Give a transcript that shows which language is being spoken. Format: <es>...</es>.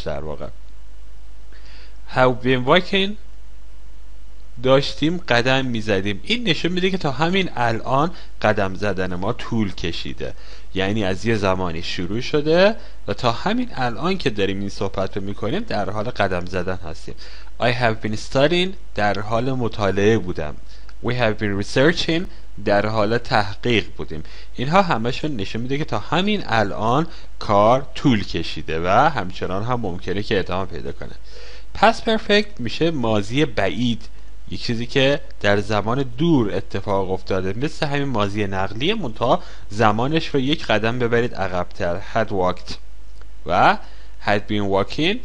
<fa>در واقع</fa> <en>have been walking</en> <fa>داشتیم قدم میزدیم، این نشون میده که تا همین الان قدم زدن ما طول کشیده، یعنی از یه زمانی شروع شده و تا همین الان که داریم این صحبت رو میکنیم در حال قدم زدن هستیم.</fa> <en>I have been studying</en> <fa>در حال مطالعه بودم.</fa> <en>We have been researching</en> <fa>در حال تحقیق بودیم. اینها همشون نشون میده که تا همین الان کار طول کشیده و همچنان هم ممکنه که ادامه پیدا کنه. پس پرفکت میشه ماضی بعید، یک چیزی که در زمان دور اتفاق افتاده، مثل همین ماضی نقلیه، منتها زمانش رو یک قدم ببرید عقب‌تر،</fa> <en>had walked</en> <fa>و</fa> <en>had been walking.</en>